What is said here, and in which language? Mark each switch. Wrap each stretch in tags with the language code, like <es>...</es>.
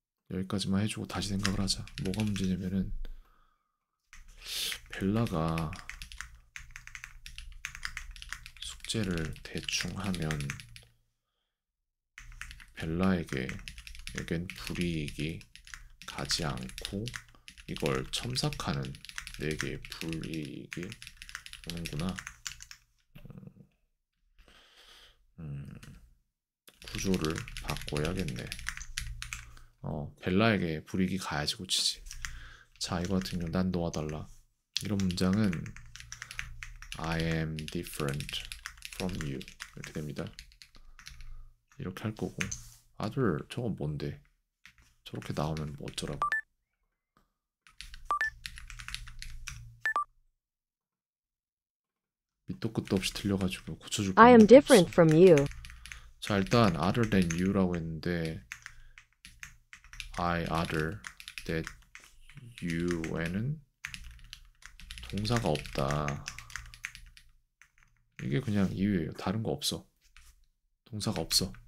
<ko>여기까지만 해주고 다시 생각을 하자. 뭐가 문제냐면은, 벨라가 숙제를 대충 하면, 벨라에게 여겐 불이익이 가지 않고 이걸 첨삭하는 내게 불이익이 오는구나. 구조를 바꿔야겠네. 벨라에게 불이익이 가야지 고치지. 자, 이거 같은 경우 난 도와달라. 이런 문장은</ko> <en>I am different from you</en> <ko>이렇게 됩니다. 이렇게 할 거고. Other 저건 뭔데? 저렇게 나오면 뭐 어쩌라고? 밑도 끝도 없이 틀려가지고 고쳐줄</ko> <en>I am</en> <ko>방법도 없어.</ko> <en>different from you.</en> <ko>자, 일단</ko> <en>other than you</en> <ko>라고 했는데</ko> <en>I other that you</en> <ko>에는 동사가 없다. 이게 그냥 이유예요. 다른 거 없어. 동사가 없어.</ko>